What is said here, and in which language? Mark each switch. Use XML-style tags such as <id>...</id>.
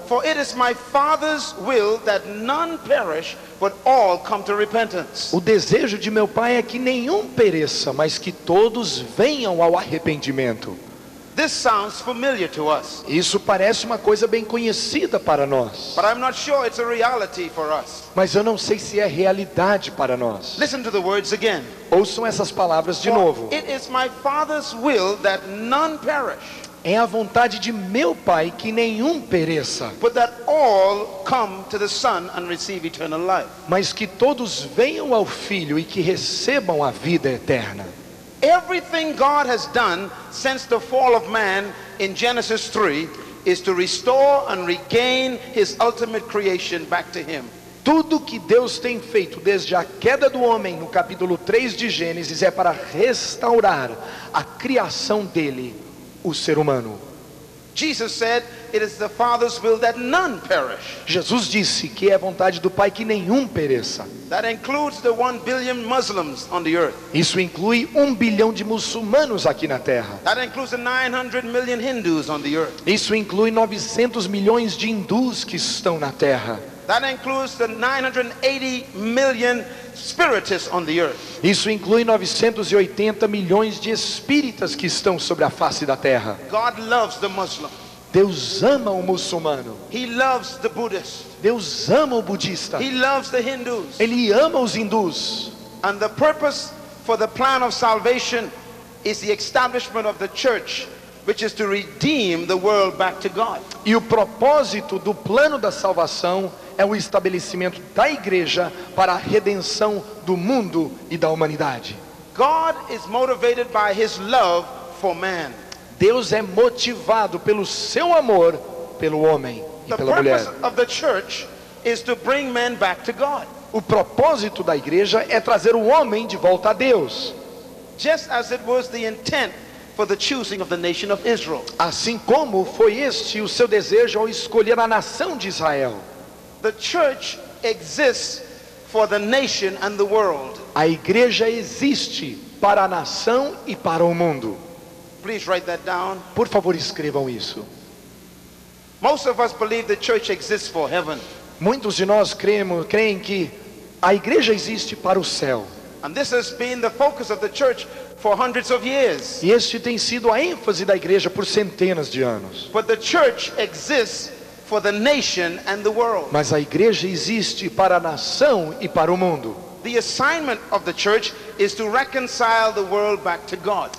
<en>For it is my Father's will that none perish, but all come to repentance.</en> <pt>O desejo de meu Pai é que nenhum pereça, mas que todos venham ao arrependimento.</pt> <en>This sounds familiar to us.</en> <pt>Isso parece uma coisa bem conhecida para nós.</pt> <en>But I'm not sure it's a reality for us.</en> <pt>Mas eu não sei se é realidade para nós.</pt> <en>Listen to the words again.</en> <pt>Ouçam essas palavras de novo.</pt> <en>It is my Father's will that none perish.</en> <pt>É a vontade de meu Pai que nenhum pereça.</pt> <en>But that all come to the Son and receive eternal life.</en> <pt>Mas que todos venham ao Filho e que recebam a vida eterna.</pt> <en>Everything God has done since the fall of man in Genesis 3 is to restore and regain his ultimate creation back to him.</en> <pt>Tudo que Deus tem feito desde a queda do homem no capítulo 3 de Gênesis é para restaurar a criação dele, o ser humano.</pt> <en>Jesus said, "It is the Father's will that none perish."</en> <pt>Jesus disse que é a vontade do Pai que nenhum pereça.</pt> <en>That includes the 1 billion Muslims on the earth.</en> <pt>Isso inclui 1 bilhão de muçulmanos aqui na Terra.</pt> <en>That includes the 900 million Hindus on the earth.</en> <pt>Isso inclui 900 milhões de hindus que estão na Terra.</pt> <en>That includes the 980 million spiritists on the earth.</en> <pt>Isso inclui 980 milhões de espíritas que estão sobre a face da terra.</pt> <en>God loves the Muslim.</en> <pt>Deus ama o muçulmano.</pt> <en>He loves the Buddhist.</en> <pt>Deus ama o budista.</pt> <en>He loves the Hindus.</en> <pt>Ele ama os hindus.</pt> <en>And the purpose for the plan of salvation is the establishment of the church, which is to redeem the world back to God.</en> <pt>E o propósito do plano da salvação é o estabelecimento da igreja para a redenção do mundo e da humanidade.</pt> <en>God is motivated by his love for man.</en> <pt>Deus é motivado pelo seu amor pelo homem e pela mulher.</pt> <en>The purpose of the church is to bring man back to God.</en> <pt>O propósito da igreja é trazer o homem de volta a Deus.</pt> <en>Just as it was the intent for the choosing of the nation of Israel.</en> <pt>Assim como foi este o seu desejo ao escolher a nação de Israel.</pt> <en>The church exists for the nation and the world.</en> <pt>A igreja existe para a nação e para o mundo.</pt> <en>Please write that down.</en> <pt>Por favor, escrevam isso.</pt> <en>Most of us believe the church exists for heaven.</en> <pt>Muitos de nós creem que a igreja existe para o céu.</pt> <en>And this has been the focus of the church for hundreds of years.</en> <pt>E este tem sido a ênfase da igreja por centenas de anos.</pt> <en>But the church exists for the nation and the world.</en> <pt>Mas a igreja existe para a nação e para o mundo.</pt> <en>The assignment of the church is to reconcile the world back to God.</en>